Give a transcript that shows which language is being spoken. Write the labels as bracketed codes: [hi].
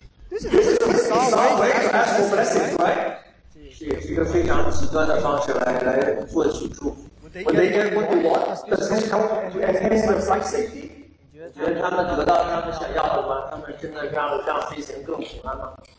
[en] This is a bizarre way to ask for blessings, right? [zh] 是一个非常极端的方式来获取祝福。 [en] When they get what they want, does this help to enhance their flight safety? [zh] 觉得他们得到他们想要的吗？他们真的让飞行更平安吗？